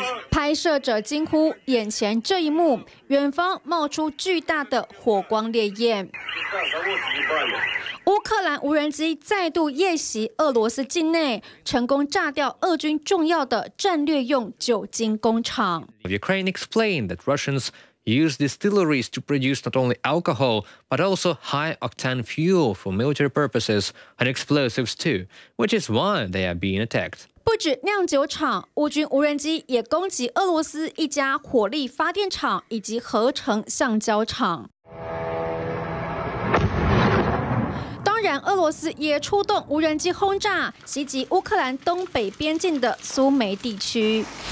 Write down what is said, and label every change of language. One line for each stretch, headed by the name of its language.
Chinese: 拍摄者惊呼，眼前这一幕，远方冒出巨大的火光烈焰，乌克兰无人机再度夜袭俄罗斯境内，成功炸掉俄军重要的战略用酒精工厂。
English: Ukraine explained that Russians use distilleries to produce not only alcohol but also high octane fuel for military purposes and explosives too, which is why they are being attacked.
Chinese: 不止酿酒厂，乌军无人机也攻击俄罗斯一家火力发电厂以及合成橡胶厂。当然，俄罗斯也出动无人机轰炸，袭击乌克兰东北边境的苏梅地区。